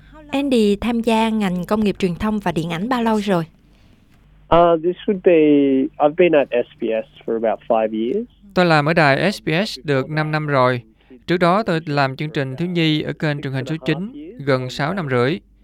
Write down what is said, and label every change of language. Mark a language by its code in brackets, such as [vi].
[vi] Andy tham gia ngành công nghiệp truyền thông và điện ảnh bao lâu rồi? [en] I've been at SBS for about 5 years. [vi] Tôi làm ở đài SBS được 5 năm rồi. Trước đó tôi làm chương trình thiếu nhi ở kênh truyền hình số 9 gần 6 năm rưỡi.